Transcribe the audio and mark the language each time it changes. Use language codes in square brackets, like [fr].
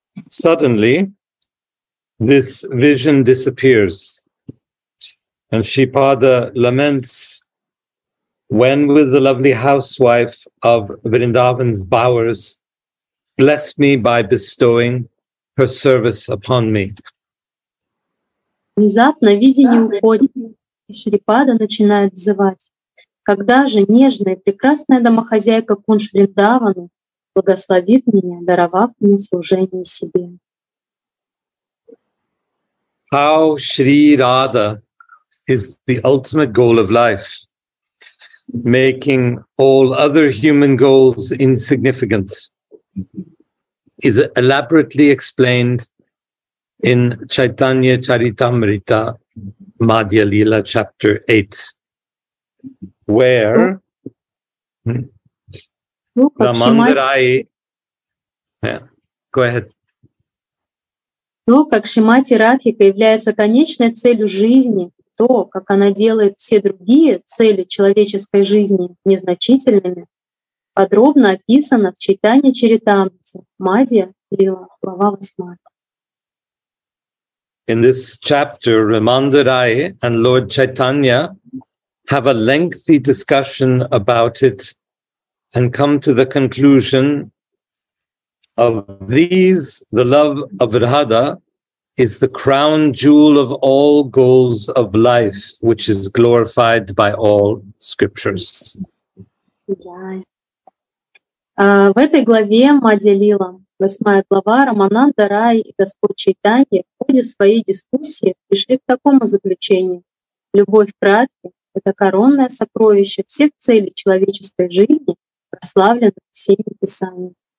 [en] Suddenly, this vision disappears, and Shripada laments, when will the lovely housewife of Vrindavan's bowers bless me by bestowing her service upon me? [ru] Внезапно видение уходит, и Шрипада начинает взывать. Когда же нежная, прекрасная домохозяйка Кунш Вриндавана благословит меня, даровав мне служение себе. [en] How Shri Radha is the ultimate goal of life, making all other human goals insignificant, is elaborately explained in Chaitanya Charitamrita Madhya Lila, chapter 8, where Рамандарай, go ahead. [ru] То, как Шримати Радхика является конечной целью жизни, то, как она делает все другие цели человеческой жизни незначительными, подробно описано в Чайтанья Чаритамрите, Мадья Лила, глава 8. [en] In this chapter, Рамандарай and Lord Chaitanya have a lengthy discussion about it and come to the conclusion of these, the love of Radha is the crown jewel of all goals of life, which is glorified by all scriptures. [ru] В этой главе Мадья Лила, 8 глава, Рамананда Рай и Господь Чайтанья в ходе своей дискуссии пришли к такому заключению. Любовь к Радхе — это коронное сокровище всех целей человеческой жизни, прославленных всеми писаниями.